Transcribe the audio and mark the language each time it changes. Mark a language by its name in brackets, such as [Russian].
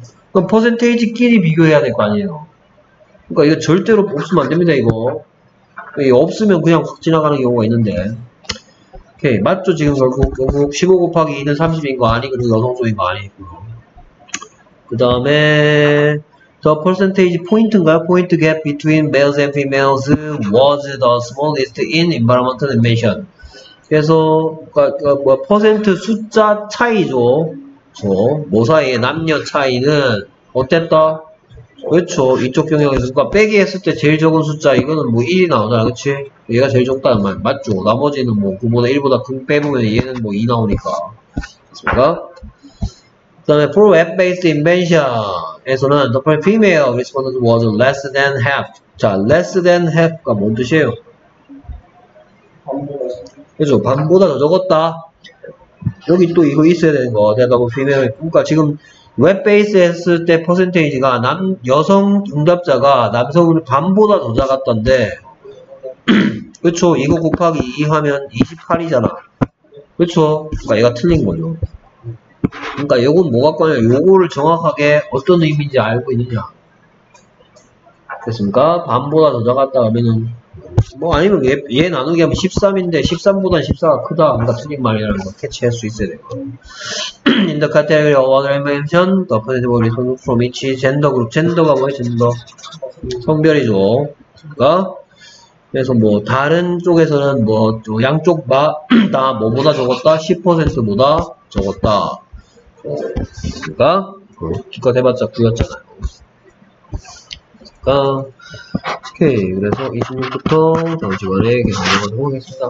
[Korean] 그럼 퍼센테이지끼리 비교해야 될 거 아니에요. 그러니까 이거 절대로 없으면 안 됩니다. 이거 없으면 그냥 확 지나가는 경우가 있는데. 오케이, 맞죠? 지금 결국 15 곱하기 2는 30인 거 아니고 그리고 여성소인 거 아니고요. 그 다음에 [English] the percentage point [Korean] 인가요? [English] point gap between males and females was the smallest in environmental invention. [Korean] 그래서 그러니까 퍼센트 숫자 차이죠. 어, 뭐 사이에 남녀 차이는 어땠다? 그렇죠. 이쪽 경향에서 그러니까 빼기 했을 때 제일 적은 숫자 이거는 뭐 1이 나오잖아. 그치? 얘가 제일 적다는 말 맞죠. 나머지는 뭐 9보다 1보다 큰 빼보면 얘는 뭐 2 나오니까. 그렇습니까? 그 다음에 [English] for web-based invention에서는 the female respondent was less than half. [Korean] 자, [English] less than half [Korean] 가 뭔 뜻이에요? 그죠? 반보다 더 적었다. 여기 또 이거 있어야 되는 거. 대답 female. 그러니까 지금 웹베이스 했을 때 퍼센테이지가 남 여성 응답자가 남성을 반보다 더 작았던데. 그렇죠? 이거 곱하기 2 하면 28이잖아. 그렇죠? 그러니까 얘가 틀린 거죠. 그러니까 요건 뭐가 꺼냐? 요거를 정확하게 어떤 의미인지 알고 있느냐. 됐습니까? 반보다 더 작았다 하면은 뭐 아니면 얘, 얘 나누기 하면 13인데 13보다 14가 크다. 뭔가 틀린 말이라는 거 캐치할 수 있어야 돼요. [English] In the category of other mention, the percentage of respondents from each gender group. [Korean] Gender가 뭐예요? Gender 성별이죠. 그러니까 그래서 뭐 다른 쪽에서는 뭐 양쪽 마, 다 뭐보다 적었다. 10%보다 적었다. 그러니까 기껏 해봤자 9였잖아요. 오케이. 그래서 26부터 다음 시간에 계속하도록 하겠습니다.